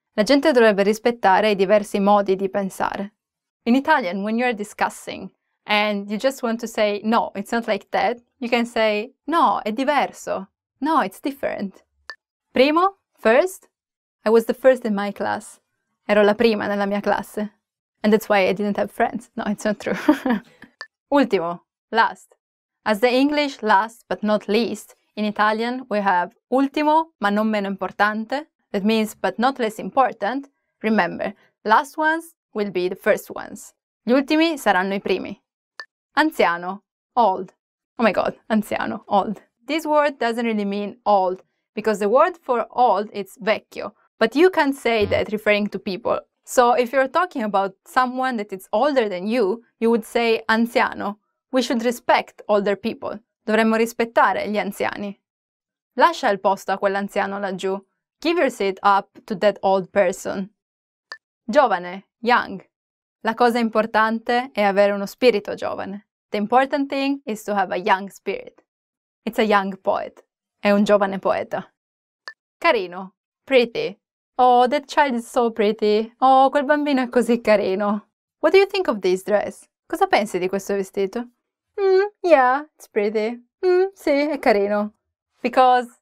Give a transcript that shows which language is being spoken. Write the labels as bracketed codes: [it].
[it] La gente dovrebbe rispettare i diversi modi di pensare. [en] In Italian, when you're discussing and you just want to say, no, it's not like that, you can say, [it] no, è diverso. [en] No, it's different. Primo. First. I was the first in my class. [it] Ero la prima nella mia classe. [en] And that's why I didn't have friends. No, it's not true. Ultimo. Last. As the English last but not least, in Italian we have [it] ultimo ma non meno importante, [en] that means but not less important. Remember, last ones will be the first ones. [it] Gli ultimi saranno I primi. [en] Anziano, old. Oh my god, anziano, old. This word doesn't really mean old, because the word for old is vecchio, but you can't say that referring to people. So if you're talking about someone that is older than you, you would say anziano. We should respect older people. [it] Dovremmo rispettare gli anziani. Lascia il posto a quell'anziano laggiù. [en] Give your seat up to that old person. Giovane, young. [it] La cosa importante è avere uno spirito giovane. [en] The important thing is to have a young spirit. It's a young poet. [it] È un giovane poeta. [en] Carino, pretty. Oh, that child is so pretty. [it] Oh, quel bambino è così carino. [en] What do you think of this dress? [it] Cosa pensi di questo vestito? [en] Yeah, it's pretty. [it] Sì, è carino. [en] Because